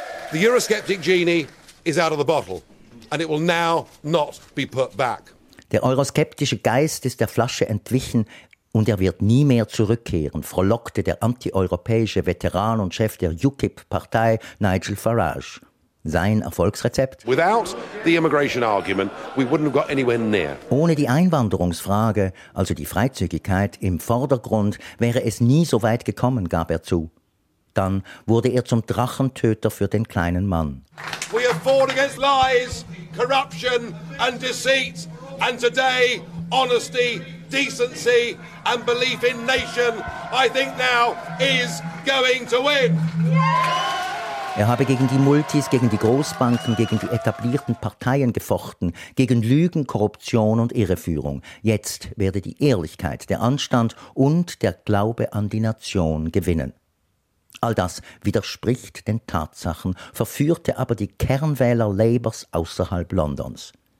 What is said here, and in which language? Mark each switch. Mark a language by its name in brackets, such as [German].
[English] The Eurosceptic genie is out of the bottle and it will now not be put back. [German] Der euroskeptische Geist ist der Flasche entwichen. Und er wird nie mehr zurückkehren, frohlockte der antieuropäische Veteran und Chef der UKIP-Partei Nigel Farage. Sein Erfolgsrezept? [English] Without the immigration argument, we wouldn't have got anywhere near. [German] Ohne die Einwanderungsfrage, also die Freizügigkeit, im Vordergrund wäre es nie so weit gekommen, gab er zu. Dann wurde er zum Drachentöter für den kleinen Mann. [English] We have fought against lies, corruption and deceit. And today, honesty, decency and belief in nation, I think now, is going to win. [German] Er habe gegen die Multis, gegen die Großbanken, gegen die etablierten Parteien gefochten, gegen Lügen, Korruption und Irreführung. Jetzt werde die Ehrlichkeit, der Anstand und der Glaube an die Nation gewinnen. All das widerspricht den Tatsachen, verführte aber die Kernwähler Labours außerhalb Londons.